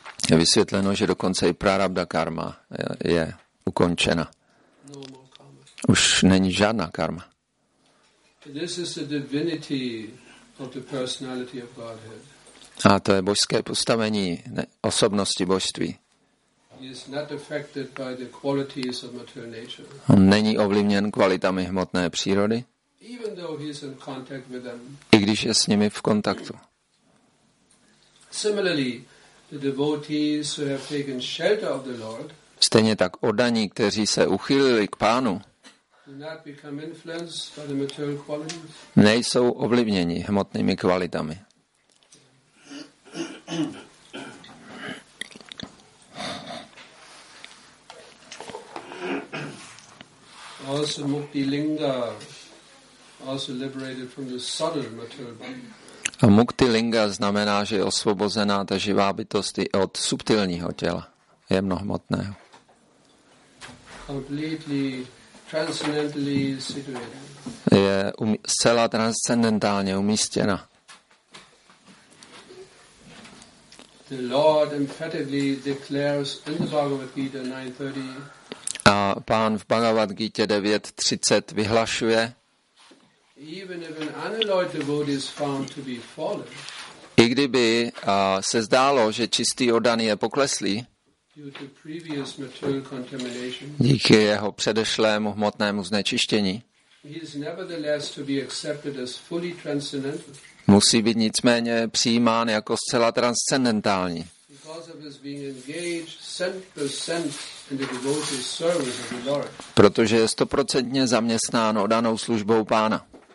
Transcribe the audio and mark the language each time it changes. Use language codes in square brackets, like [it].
[cs] Je vysvětleno, že dokonce i prarabdha karma je ukončena. Už není žádná karma. [en] This is the divinity of the personality of Godhead. [cs] A to je božské postavení osobnosti božství. [en] Is not affected by the qualities of material nature. [cs] On není ovlivněn kvalitami hmotné přírody. [en] Even though he is in contact with them. [cs] I když je s nimi v kontaktu. [en] Similarly, the devotees who have taken shelter of the Lord. [cs] Stejně tak oddaní, kteří se uchýlili k Pánu. [en] Do not become influenced by the material qualities. [cs] Nejsou ovlivněni hmotnými kvalitami. [en] Also Mukti Linga, also liberated from the subtle material body. [cs] A mukti linga znamená, že je osvobozená ta živá bytost od subtilního těla, jemnohmotného. [en] Completely transcendentally situated. [cs] Je zcela transcendentálně umístěna. [en] The Lord emphatically declares in the Bhagavad Gita 9:30. [cs] A Pán v Bhagavad Gita 9:30 vyhlašuje. [en] Even if an unalloyed devotee is found to be fallen. [cs] I kdyby se zdálo, že čistý oddaný je pokleslý. [en] Due to previous material contamination. [cs] Díky jeho předešlému hmotnému znečištění. [en] He is nevertheless to be accepted as fully transcendental. [cs] Musí být nicméně přijímán jako zcela transcendentální. [en] Because of his being engaged 100% in the devotee's service of the Lord. [cs] Protože je 100% zaměstnán oddanou službou Pána.